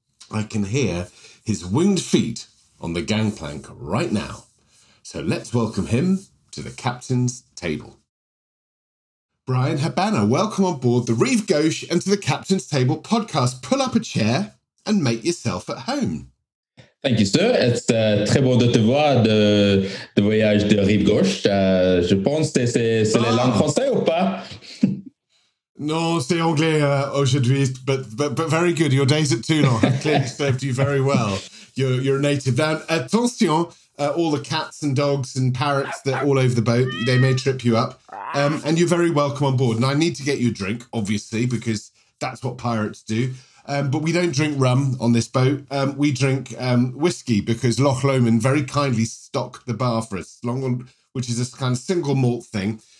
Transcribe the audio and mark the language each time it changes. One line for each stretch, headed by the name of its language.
English: I can hear his winged feet on the gangplank right now. So let's welcome him to the captain's table. Brian Habana, welcome on board the Reeve Gauche and to the Captain's Table podcast. Pull up a chair and make yourself at home. Thank you, sir. It's
French: très beau de te voir de voyage de Rive Gauche. Je pense que c'est la langue française ou pas? Non, c'est anglais aujourd'hui,
English: but very good. Your days at Toulon have clearly served you very well. You're a native. Now, attention, all the cats and dogs and parrots that are all over the boat, they may trip you up. And you're very welcome on board. And I need to get you a drink, obviously, because that's what pirates do. But we don't drink rum on this boat. We drink whiskey because Loch Lomond very kindly stocked the bar for us, which is a kind of single malt thing.